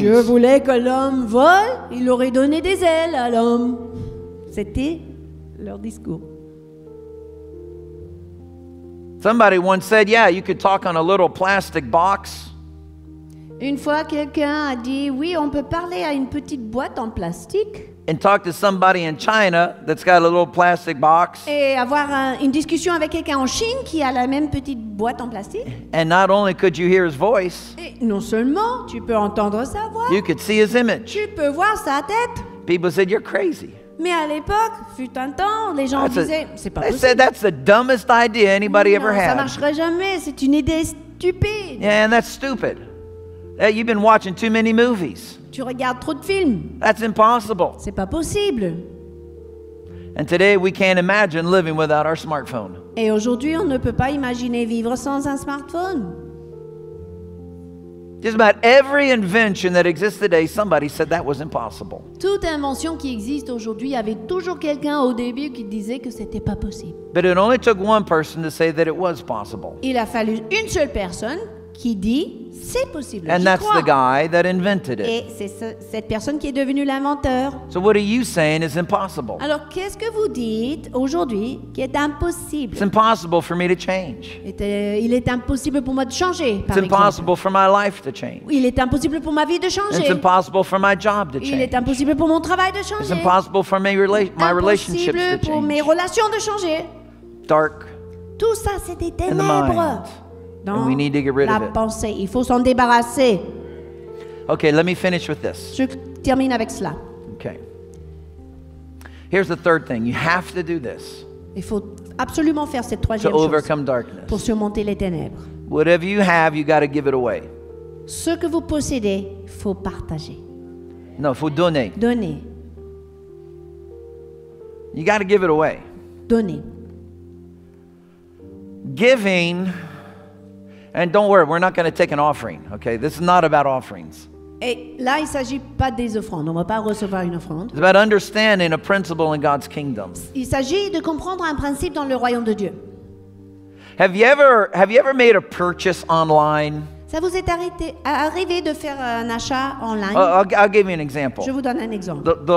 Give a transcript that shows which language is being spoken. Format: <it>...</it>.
<fr>Dieu voulait que l'homme vole, il aurait donné des ailes à l'homme. C'était leur discours.</fr> <en>Somebody once said, yeah, you could talk on a little plastic box.</en> <fr>Une fois, quelqu'un a dit, oui, on peut parler à une petite boîte en plastique.</fr> <en>And talk to somebody in China that's got a little plastic box.</en> <fr>Et avoir une discussion avec quelqu'un en Chine qui a la même petite boîte en plastique.</fr> <en>And not only could you hear his voice.</en> <fr>Et non seulement, tu peux entendre sa voix.</fr> <en>You could see his image.</en> <fr>Tu peux voir sa tête.</fr> <en>People said, you're crazy.</en> <fr>Mais à l'époque, fut un temps, les gens</fr> <en>that's</en> <fr>disaient, a, c'est pas possible.</fr> <en>They said that's the dumbest idea anybody</en> <fr>non,</fr> <en>ever had.</en> <fr>Ça marcherait jamais, c'est une idée stupide.</fr> <en>Yeah, and that's stupid. Hey, you've been watching too many movies.</en> <fr>Tu regardes trop de films.</fr> <en>That's impossible.</en> <fr>C'est pas possible.</fr> <en>And today we can't imagine living without our smartphone.</en> <fr>Et aujourd'hui, on ne peut pas imaginer vivre sans un smartphone.</fr> <en>Just about every invention that exists today, somebody said that was impossible.</en> <fr>Toute invention qui existe aujourd'hui avait toujours quelqu'un au début qui disait que c'était pas possible.</fr> <en>But it only took one person to say that it was possible.</en> <fr>Il a fallu une seule personne qui dit c'est possible.</fr> <en>And that's the guy that invented it.</en> <fr>Et c'est cette personne qui est devenue l'inventeur.</fr> <en>So what are you saying is impossible?</en> <fr>Alors qu'est-ce que vous dites aujourd'hui qui est impossible?</fr> <en>It's impossible for me to change.</en> <fr>Il est impossible pour moi de changer.</fr> <en>It's impossible for my life to change.</en> <fr>Il est impossible pour ma vie de changer.</fr> <en>It's impossible for my job to change.</en> <fr>Il est impossible pour mon travail de changer.</fr> <en>It's impossible for my relationships to change.</en> <fr>Impossible pour mes relations de changer.</fr> <en>Dark.</en> <fr>Tout ça c'est des ténèbres.</fr> <en>And we need to get rid</en> <fr>la</fr> <en>of it.</en> <fr>Pensée. Il faut s'en débarrasser.</fr> <en>Okay, let me finish with this.</en> <fr>Je termine avec cela.</fr> <en>Okay. Here's the third thing. You have to do this.</en> <fr>Il faut absolument faire cette troisième chose.</fr> <en>To overcome darkness.</en> <fr>Pour surmonter les ténèbres.</fr> <en>Whatever you have, you got to give it away.</en> <fr>Ce que vous possédez, faut partager. Non, faut donner. Donner.</fr> <en>You got to give it away.</en> <fr>Donner.</fr> <en>Giving. And don't worry, we're not going to take an offering, okay? This is not about offerings.</en> <fr>Et là, il s'agit pas des offrandes. On va pas recevoir une offrande.</fr> <en>It's about understanding a principle in God's kingdom.</en> <fr>Il s'agit de comprendre un principe dans le royaume de Dieu.</fr> <en>Have you ever made a purchase online?</en> <fr>Ça vous est arrivé de faire un achat online?</fr> <en>I'll give you an example.</en> <fr>Je vous donne un exemple.</fr>